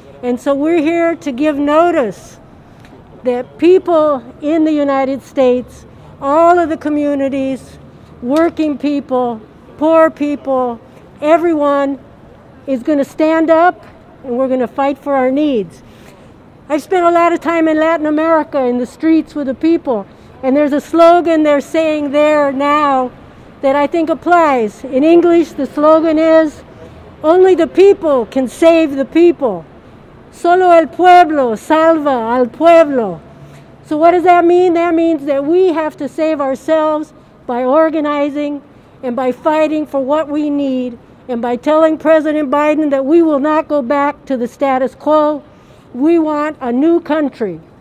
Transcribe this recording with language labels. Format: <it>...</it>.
<en>And so we're here to give notice that people in the United States, all of the communities, working people, poor people, everyone is going to stand up and we're going to fight for our needs. I've spent a lot of time in Latin America in the streets with the people, and there's a slogan they're saying there now that I think applies. In English, the slogan is, only the people can save the people.</en> <es>Solo el pueblo salva al pueblo.</es> <en>So what does that mean? That means that we have to save ourselves by organizing and by fighting for what we need and by telling President Biden that we will not go back to the status quo. We want a new country.</en>